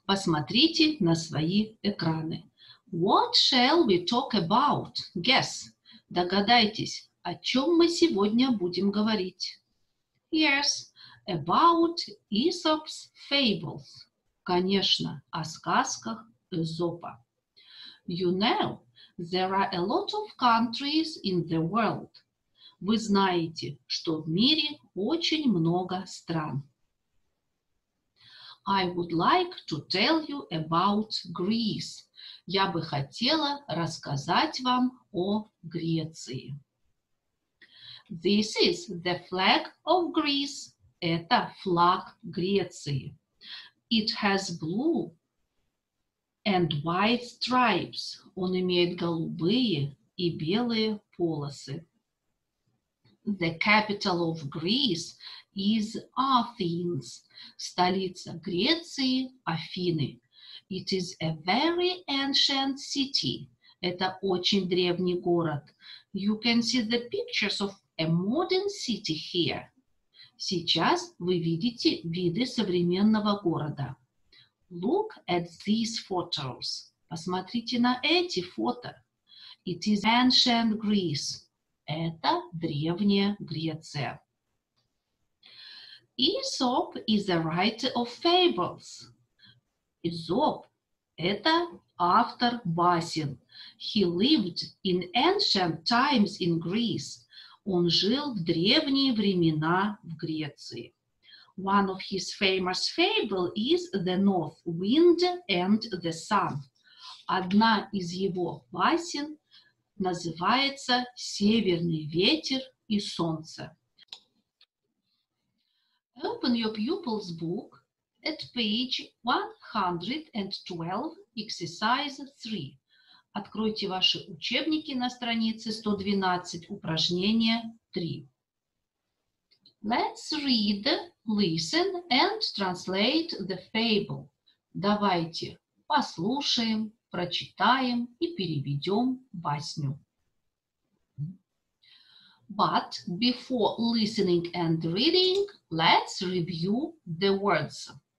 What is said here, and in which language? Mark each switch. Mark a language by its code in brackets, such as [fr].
[ru] Посмотрите на свои экраны. [en] What shall we talk about? Guess. [ru] Догадайтесь, о чем мы сегодня будем говорить. [en] Yes. About Aesop's fables. [ru] Конечно, о сказках Эзопа. [en] You know, there are a lot of countries in the world. [ru] Вы знаете, что в мире очень много стран. [en] I would like to tell you about Greece. [ru] Я бы хотела рассказать вам о Греции. [en] This is the flag of Greece. [ru] Это флаг Греции. [en] It has blue and white stripes. [ru] Он имеет голубые и белые полосы. [en] The capital of Greece is Athens. [ru] Столица Греции – Афины. [en] It is a very ancient city. [ru] Это очень древний город. [en] You can see the pictures of a modern city here. [ru] Сейчас вы видите виды современного города. [en] Look at these photos. [ru] Посмотрите на эти фото. [en] It is ancient Greece. [ru] Это древняя Греция. [en] Aesop is a writer of fables. Aesop – [ru] это автор басен. [en] He lived in ancient times in Greece. [ru] Он жил в древние времена в Греции. [en] One of his famous fables is the North Wind and the Sun. [ru] Одна из его басен называется «Северный ветер и солнце». [en] Open your pupil's book at page 112, exercise 3. [ru] Откройте ваши учебники на странице 112, упражнение 3. [en] Let's read, listen and translate the fable. [ru] Давайте послушаем, прочитаем и переведем басню. [en] But before listening and reading, let's review the words.